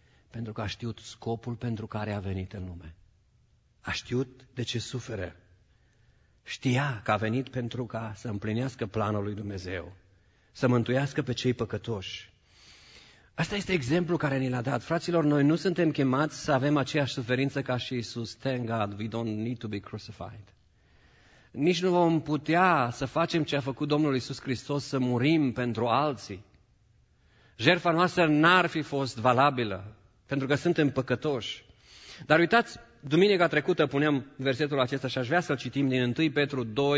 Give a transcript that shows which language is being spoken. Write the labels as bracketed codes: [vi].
[ro] Pentru că a știut scopul pentru care a venit în lume. A știut de ce suferă. Știa că a venit pentru ca să împlinească planul lui Dumnezeu, să mântuiască pe cei păcătoși. Asta este exemplul care ni l-a dat. Fraților, noi nu suntem chemați să avem aceeași suferință ca și Iisus. [en] Thank God, we don't need to be crucified. [ro] Nici nu vom putea să facem ce a făcut Domnul Iisus Hristos, să murim pentru alții. Jertfa noastră n-ar fi fost valabilă, pentru că suntem păcătoși. Dar uitați, duminica trecută puneam versetul acesta și aș vrea să-l citim din 1 Petru 2:20.